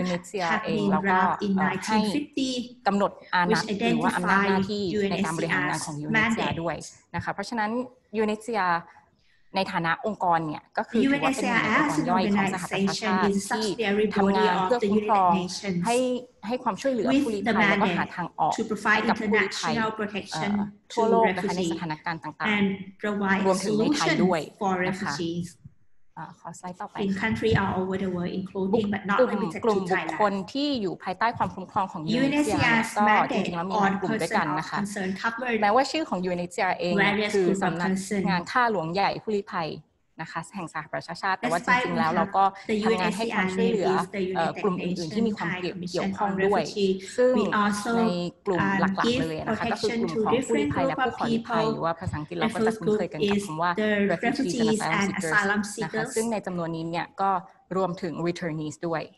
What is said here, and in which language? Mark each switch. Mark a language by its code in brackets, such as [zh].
[th] เซอเองแล้วก็ให้กำหนดอานัตหรือว่าอำนาจหน้าที่ในการบริหารงานของยูเนสเซอด้วยนะคะเพราะฉะนั้นยูเนสเซอในฐานะองค์กรเนี่ยก็คือว่าเป็นองค์กรย่อยของสหประชาชาติที่ทำงานเพื่อคุ้มครองให้ความช่วยเหลือผู้ลี้ภัยแล้วก็หาทางออกให้กับผู้ลี้ภัยทั่วโลกนะคะในสถานการณ์ต่างๆรวมถึงในไทยด้วยนะคะขอสไลด์ต่อไป [en] In country all over the world including but not limited to Thailand [th] กลุ่มบุคคลที่อยู่ภายใต้ความคุ้มครองของ UNHCR ก็จริงๆแล้วมีกลุ่มด้วยกันนะคะแม้ว่าชื่อของ UNHCR เองคือสำนักงานข้าหลวงใหญ่ผู้ลี้ภัยนะคะแห่งสหประชาชาติแต่ว่าจริงๆแล้วเราก็ทำงานให้ความช่วยเหลือกลุ่มอื่นๆที่มีความเกี่ยวข้องด้วยซึ่งในกลุ่มหลักๆเลยนะคะก็คือกลุ่มของผู้ลี้ภัยและผู้ขอลี้ภัยหรือว่าภาษาอังกฤษเราก็จะคุ้นเคยกันกับคำว่า [en] refugees and asylum seekers [th] นะคะซึ่งในจำนวนนี้เนี่ยก็รวมถึง returnees ด้วย